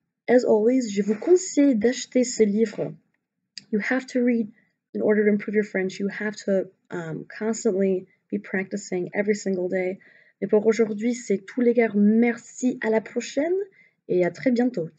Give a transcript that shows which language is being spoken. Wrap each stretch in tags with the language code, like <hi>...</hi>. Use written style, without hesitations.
<en>As always,</en> <fr>je vous conseille d'acheter ce livre.</fr> <en>You have to read in order to improve your French. You have to constantly be practicing every single day.</en> <fr>Et pour aujourd'hui, c'est tout les gars. Merci, à la prochaine et à très bientôt.</fr>